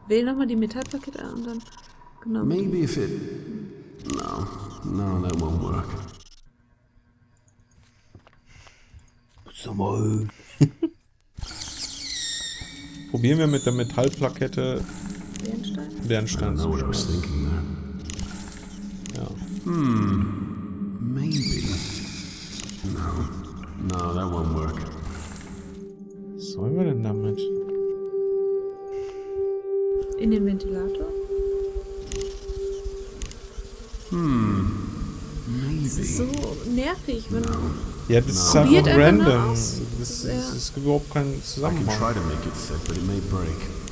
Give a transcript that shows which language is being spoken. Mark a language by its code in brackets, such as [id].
[de] Wähl nochmal die Metallplakette an und dann. [en] Maybe if it. No, No, that won't work. [de] Probieren wir mit der Metallplakette Bernstein. [en] I don't know what I was thinking there. [de] Ja. [en] Maybe. No, that won't work. [de] Was sollen wir denn damit? In den Ventilator? [en] Maybe. [de] Das ist so nervig, wenn... Ja, das ist einfach random. Das ist überhaupt kein Zusammenhang. [en] I can try to make it fit, but it may break.